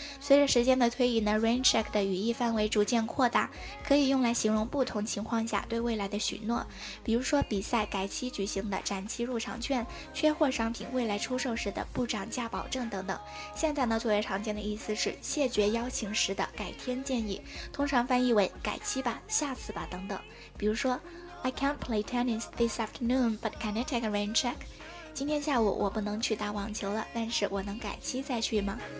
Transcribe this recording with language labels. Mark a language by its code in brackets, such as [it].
[zh] 随着时间的推移呢， Rain check 的语义范围逐渐扩大，可以用来形容不同情况下对未来的许诺，比如说比赛改期举行的展期入场券、缺货商品未来出售时的不涨价保证等等。现在呢最为常见的意思是谢绝邀请时的改天建议，通常翻译为改期吧、下次吧等等。比如说 [en] I can't play tennis this afternoon but can I take a rain check? [zh] 今天下午我不能去打网球了，但是我能改期再去吗？